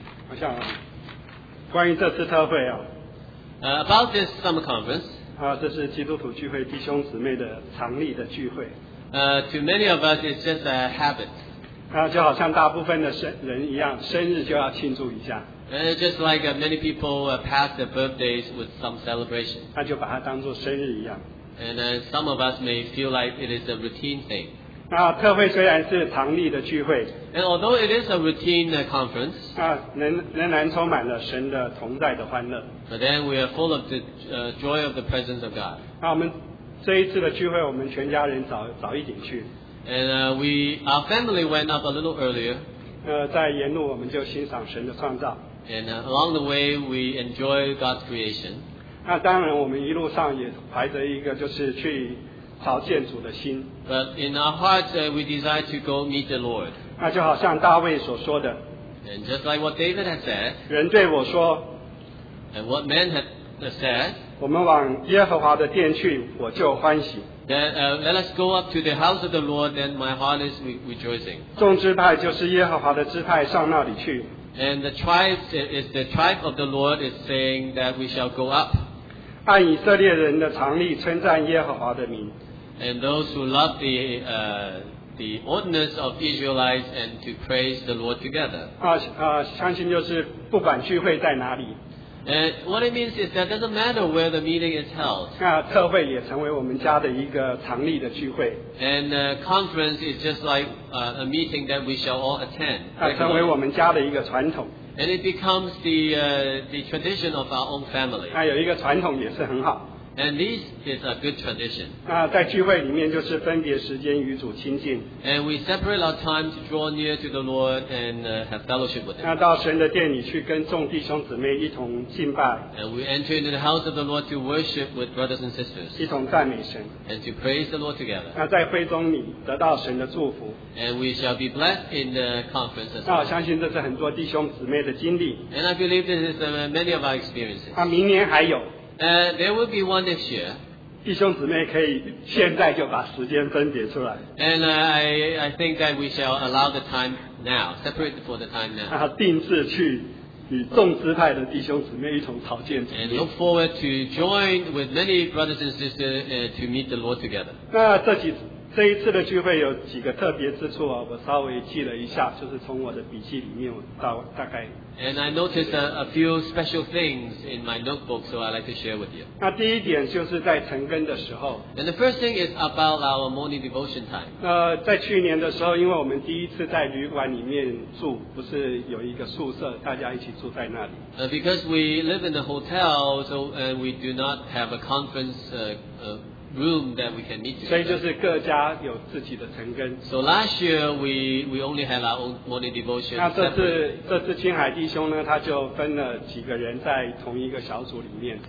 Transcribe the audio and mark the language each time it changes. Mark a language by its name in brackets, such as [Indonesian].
[Chinese] 我想关于这次特会啊。 [English] About this summer conference. [Chinese] 啊，这是基督徒聚会弟兄姊妹的常例的聚会。 [English] To many of us, it's just a habit. [Chinese] 就好像大部分的人一样，生日就要庆祝一下。 [English] Just like many people pass their birthdays with some celebration. [Chinese] 那就把它当作生日一样。 [English] And some of us may feel like it is a routine thing. [Chinese] 那特会虽然是常例的聚会。 [English] And although it is a routine conference. [Chinese] 仍然充满了神的同在的欢乐。 [English] But then we are full of the joy of the presence of God. [Chinese] 那我们这一次的聚会，我们全家人早一点去。 [English] And our family went up a little earlier. [Chinese] 在沿路我们就欣赏神的创造。 [English] And along the way, we enjoy God's creation. [Chinese] 那当然，我们一路上也怀着一个就是去朝见主的心。 [English] But in our hearts, we desire to go meet the Lord. [Chinese] 那就好像大卫所说的。 [English] And just like what David had said, [Chinese] 人对我说, [English] and what men had said, [Chinese] 我们往耶和华的殿去, [English] then, let us go up to the house of the Lord, then my heart is rejoicing. [Chinese] 众支派就是耶和华的支派, [English] and the tribe is the tribe of the Lord is saying that we shall go up. [Chinese] 按以色列人的常例, [English] and those who love the ordinance of Israelites and to praise the Lord together. [Chinese] 相信就是不管聚会在哪里, [English] and what it means is that it doesn't matter where the meeting is held. [Chinese] 特会也成为我们家的一个常例的聚会, [English] and conference is just like a meeting that we shall all attend. [Chinese] 成为我们家的一个传统, [English] and it becomes the tradition of our own family. [Chinese] 有一个传统也是很好, [English] and this is a good tradition. [Chinese] 在聚会里面就是分别时间与主亲近, [English] and we separate our time to draw near to the Lord and have fellowship with him. [Chinese] 到神的殿里去跟众弟兄姊妹一同敬拜, [English] and we enter into the house of the Lord to worship with brothers and sisters, [Chinese] 一同赞美神, [English] and to praise the Lord together. [Chinese] 在会中你得到神的祝福, [English] and we shall be blessed in the conference as well. [Chinese] 相信这是很多弟兄姊妹的经历, [English] and I believe this is many of our experiences. [Chinese] 明年还有, [English] There will be one next year. [Chinese] 弟兄姊妹可以现在就把时间分别出来, [English] and I think that we shall allow the time now, separate for the time now. [Chinese] 定制去与众支派的弟兄姊妹一同朝见主, [English] and look forward to join with many brothers and sisters to meet the Lord together. [Chinese] 这一次的聚会有几个特别之处啊, 我稍微记了一下, 就是从我的笔记里面大概, [English] and I noticed a few special things in my notebook, so I'd like to share with you. [Chinese] 那第一点就是在晨更的时候, [English] and the first thing is about our morning devotion time. [Chinese] 在去年的时候, 因为我们第一次在旅馆里面住, 不是有一个宿舍, 大家一起住在那里, [English] because we live in a hotel, so we do not have a conference room that we can meet together. So last year we only had our own morning devotion. [Chinese] 那这次青海弟兄呢他就分了几个人在同一个小组里面,